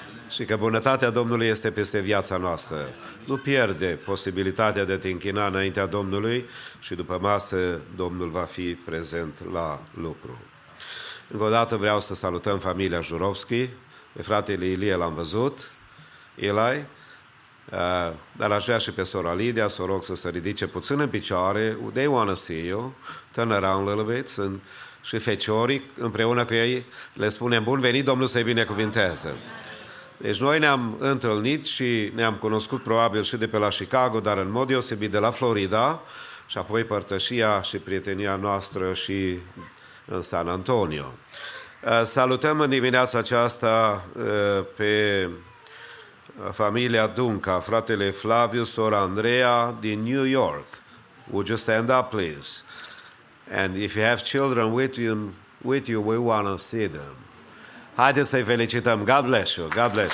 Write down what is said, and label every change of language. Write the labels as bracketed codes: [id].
[ro] Și că bunătatea Domnului este peste viața noastră. Nu pierde posibilitatea de a te închina înaintea Domnului și după masă Domnul va fi prezent la lucru. Încă o dată vreau să salutăm familia Jurovski, pe fratele Ilie l-am văzut, Eli, dar aș vrea și pe sora Lidia să o rog să se ridice puțin în picioare. [en] They want to see you, turn around a little bit. [ro] Sunt și feciorii împreună cu ei, le spunem bun venit, Domnul să-i binecuvinteze. Deci noi ne-am întâlnit și ne-am cunoscut probabil și de pe la Chicago, dar în mod deosebit de la Florida și apoi părtășia și prietenia noastră și în San Antonio. Salutăm în dimineața aceasta pe familia Dunca, fratele Flavius, sora Andreea din New York. [en] Would you stand up, please? And if you have children with you, we want to see them. [ro] Haideți să-i felicităm. [en] God bless you, yes.